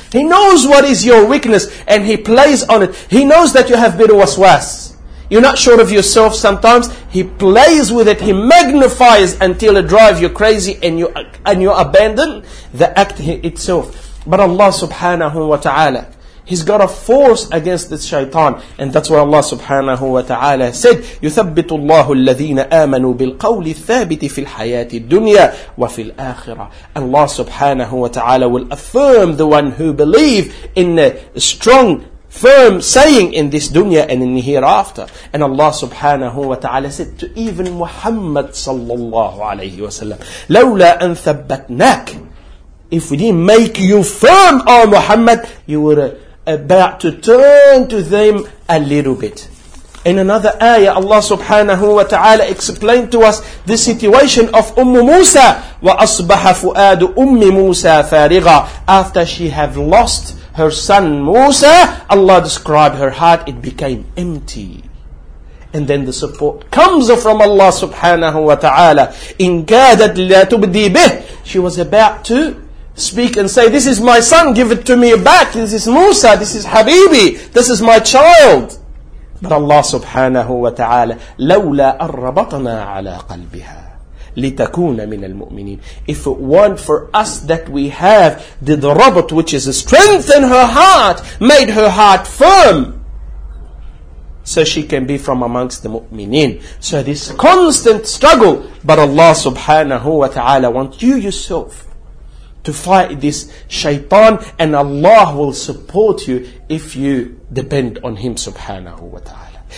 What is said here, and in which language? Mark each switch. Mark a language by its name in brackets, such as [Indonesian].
[English] He knows what is your weakness, and he plays on it. He knows that you have bitter waswas. You're not sure of yourself sometimes. He plays with it. He magnifies until it drives you crazy, and you abandon the act itself. But Allah subhanahu wa ta'ala, he's got a force against this shaitan. And that's why Allah subhanahu wa ta'ala said, [Arabic] يُثَبِّتُ اللَّهُ الَّذِينَ آمَنُوا بِالْقَوْلِ الثَّابِتِ فِي الْحَيَاةِ الدُّنْيَا وَفِي الْآخِرَةِ. [English] Allah subhanahu wa ta'ala will affirm the one who believe in a strong, firm saying in this dunya and in the hereafter. And Allah subhanahu wa ta'ala said to even Muhammad sallallahu alayhi wa sallam, [Arabic] لَوْلَا أَنْ ثَبَّتْنَاكَ. [English] If we didn't make you firm, O Muhammad, you were about to turn to them a little bit. In another ayah, Allah subhanahu wa ta'ala explained to us the situation of Umm Musa. [Arabic] وَأَصْبَحَ فُؤَادُ أُمِّ مُوسَى فَارِغًا. [English] After she have lost her son Musa, Allah described her heart, it became empty. And then the support comes from Allah subhanahu wa ta'ala. [Arabic] إِنْ كَادَتْ لَا تُبْدِي بِهِ. [English] She was about to speak and say, this is my son, give it to me back. This is Musa, this is Habibi, this is my child. But Allah subhanahu wa ta'ala, [Arabic] لَوْلَا أَرَّبَطَنَا عَلَىٰ قَلْبِهَا لِتَكُونَ مِنَ الْمُؤْمِنِينَ. [English] If it weren't for us that we have did rabat, which is a strength in her heart, made her heart firm, so she can be from amongst the mu'mineen. So this constant struggle, but Allah subhanahu wa ta'ala wants you yourself to fight this shaitan, and Allah will support you if you depend on him subhanahu wa ta'ala.